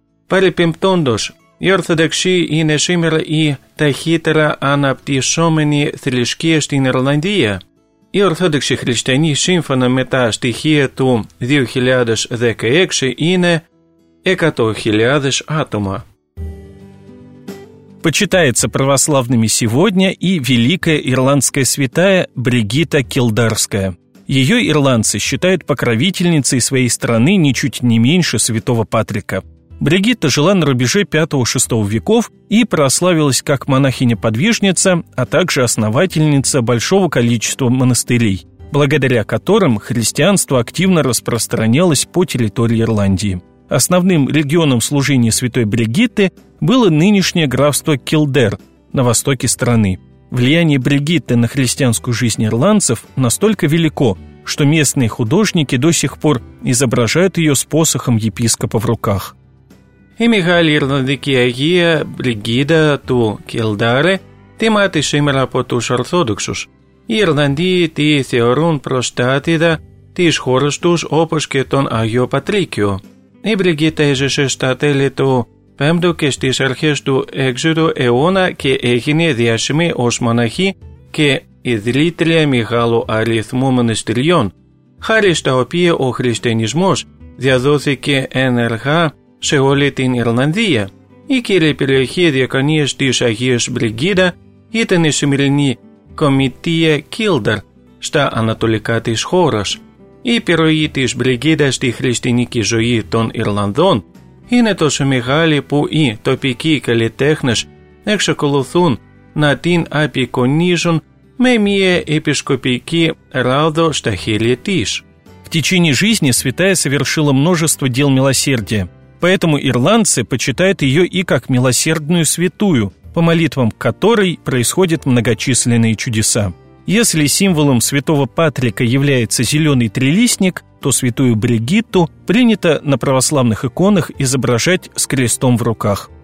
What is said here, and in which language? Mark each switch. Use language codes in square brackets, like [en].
[el] Παρεπιπτόντος, η Ορθοδοξία είναι σήμερα η ταχύτερα αναπτυσσόμενη θρησκεία στην Ιρλανδία. Οι Ορθόδοξοι Χριστιανοί, σύμφωνα με τα στοιχεία του 2016, είναι 100.000 άτομα. [ru] Почитается православными сегодня и великая ирландская святая Бригитта Килдарская. Ее ирландцы считают покровительницей своей страны ничуть не меньше святого Патрика. Бригитта жила на рубеже 5-6 веков и прославилась как монахиня-подвижница, а также основательница большого количества монастырей, благодаря которым христианство активно распространялось по территории Ирландии. Основным регионом служения святой Бригитты было нынешнее графство Килдер на востоке страны. Влияние Бригитты на христианскую жизнь ирландцев настолько велико, что местные художники до сих пор изображают ее с посохом епископа в руках. [el] Η μεγάλη Ιρλανδική Αγία Μπριγκίτα του Κιλντάρε τιμάται σήμερα από τους Ορθόδοξους. Οι Ιρλανδοί τη θεωρούν προστάτηδα της χώρας τους όπως και τον Άγιο Πατρίκιο. Η Μπριγκίτα έζησε στα τέλη του 5ου και στις αρχές του 6ου αιώνα και έγινε διάσημη ως μοναχή και ιδρύτρια μεγάλου αριθμού μοναστηριών, χάρη στα οποία ο χριστιανισμός διαδόθηκε ενεργά σε όλη την Ιρλανδία. Η κύρια περιοχή διακονίας της Αγίας Μπριγκίδα ήταν η σημερινή Κομιτεία Κίλντερ στα ανατολικά της χώρας. Η επιρροή της Μπριγκίδας στη χριστιανική ζωή των Ιρλανδών είναι τόσο μεγάλη που οι τοπικοί καλλιτέχνες εξακολουθούν να την απεικονίζουν με μια επισκοπική ράδο στα χέρια της. [ru] В течение жизни святая совершила множество дел милосердия, поэтому ирландцы почитают ее и как милосердную святую, по молитвам которой происходят многочисленные чудеса. Если символом святого Патрика является зеленый трилистник, то святую Бригитту принято на православных иконах изображать с крестом в руках.